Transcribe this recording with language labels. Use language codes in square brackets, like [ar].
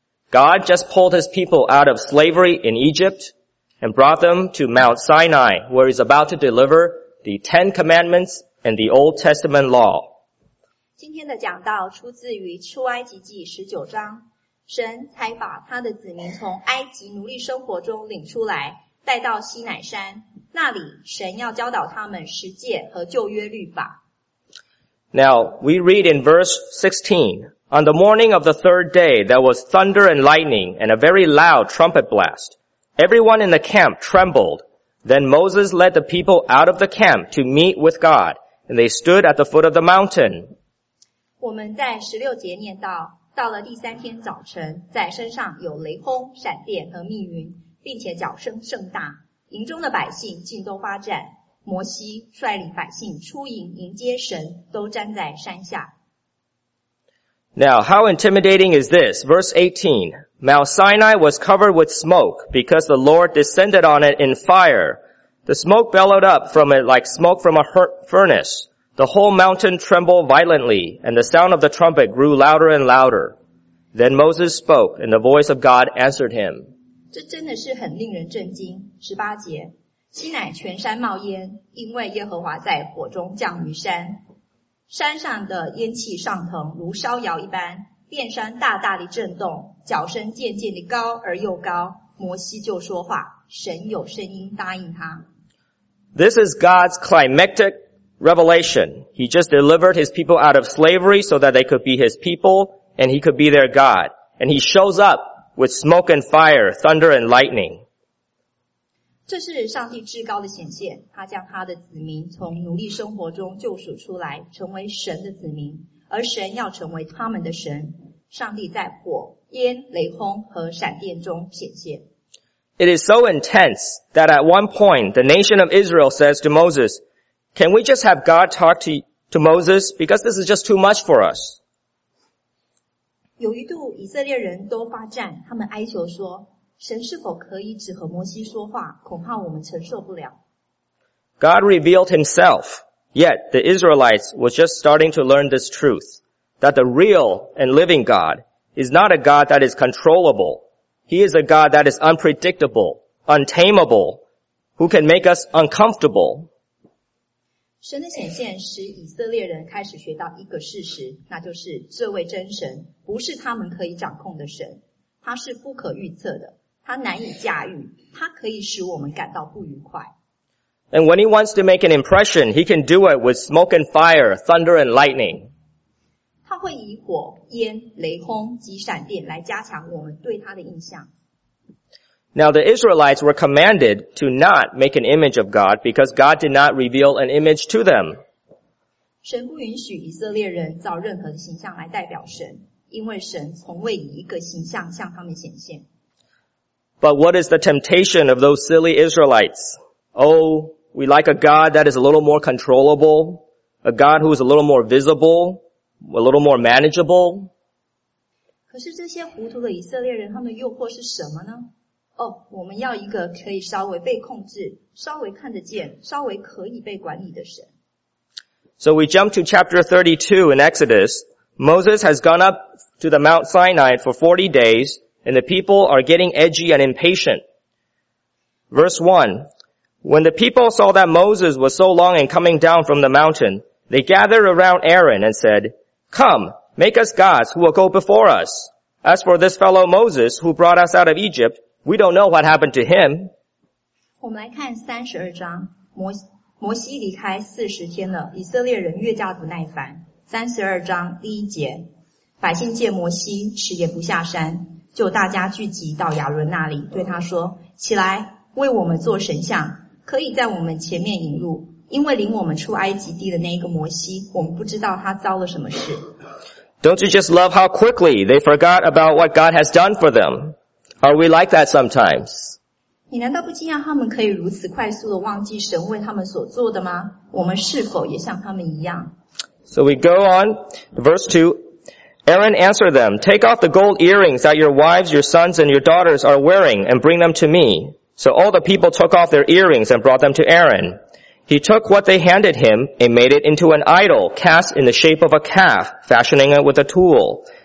[en] God just pulled his people out of slavery in Egypt and brought them to Mount Sinai, where he's about to deliver the Ten Commandments and the Old Testament law. [zh] 今天的讲道出自于出埃及记19章，神才把他的子民从埃及奴隶生活中领出来，带到西乃山，那里神要教导他们十诫和旧约律法。 [en] Now, we read in verse 16, On the morning of the third day, there was thunder and lightning and a very loud trumpet blast. Everyone in the camp trembled. Then Moses led the people out of the camp to meet with God, and they stood at the foot of the mountain. [zh] 我们在十六节念到，到了第三天早晨，在山上有雷轰、闪电和密云，并且脚声甚大，营中的百姓尽都发颤。摩西率领百姓出营迎接神，都站在山下。 [en] Now, how intimidating is this? Verse 18, Mount Sinai was covered with smoke because the Lord descended on it in fire. The smoke billowed up from it like smoke from a furnace. The whole mountain trembled violently, and the sound of the trumpet grew louder and louder. Then Moses spoke, and the voice of God answered him. [zh] 这真的是很令人震惊。十八节，西乃全山冒烟，因为耶和华在火中降于山，山上的烟气上腾如烧窑一般，遍山大大的震动，脚声渐渐的高而又高，摩西就说话，神有声音答应他。 [en] This is God's climactic revelation. He just delivered his people out of slavery so that they could be his people and he could be their God. And he shows up with smoke and fire, thunder and lightning. [zh] 这是上帝至高的显现，他将他的子民从奴隶生活中救赎出来，成为神的子民，而神要成为他们的神。上帝在火、烟、雷轰和闪电中显现。 [en] It is so intense that at one point the nation of Israel says to Moses, Can we just have God talk to Moses? Because this is just too much for us. [zh] 有一度以色列人都发战，他们哀求说，神是否可以只和摩西说话，恐怕我们承受不了。 [en] God revealed himself, yet the Israelites were just starting to learn this truth, that the real and living God is not a God that is controllable. He is a God that is unpredictable, untamable, who can make us uncomfortable. [zh] 神的显现使以色列人开始学到一个事实，那就是这位真神不是他们可以掌控的神，他是不可预测的。他难以驾驭，他可以使我们感到不愉快。 [en] And when he wants to make an impression, he can do it with smoke and fire, thunder and lightning. [zh] 他会以火、烟、雷轰及闪电来加强我们对他的印象。 [en] Now the Israelites were commanded to not make an image of God because God did not reveal an image to them. [zh] 神不允许以色列人造任何的形象来代表神，因为神从未以一个形象向他们显现。 [en] But what is the temptation of those silly Israelites? Oh, we like a God that is a little more controllable, a God who is a little more visible, a little more manageable. [zh] 可是这些糊涂的以色列人，他们的诱惑是什么呢？哦，我们要一个可以稍微被控制、稍微看得见、稍微可以被管理的神。 [en] So we jump to chapter 32 in Exodus. Moses has gone up to the Mount Sinai for 40 days. And the people are getting edgy and impatient. Verse 1, When the people saw that Moses was so long in coming down from the mountain, they gathered around Aaron and said, Come, make us gods who will go before us. As for this fellow Moses who brought us out of Egypt, we don't know what happened to him. [zh] 我们来看32章，摩西离开40天了，以色列人越加不耐烦。 32章第一节，百姓见摩西迟延不下山。就大家聚集到亚伦那里，对他说：“起来，为我们做神像，可以在我们前面引路。因为领我们出埃及地的那一个摩西，我们不知道他遭了什么事。” [en] Don't you just love how quickly they forgot about what God has done for them? Are we like that sometimes? [zh] 你难道不惊讶他们可以如此快速地忘记神为他们所做的吗？我们是否也像他们一样 [en] ？So we go on, verse 2. Aaron answered them, Take off the gold earrings that your wives, your sons, and your daughters are wearing, and bring them to me. So all the people took off their earrings and brought them to Aaron. He took what they handed him and made it into an idol cast in the shape of a calf, fashioning it with a tool.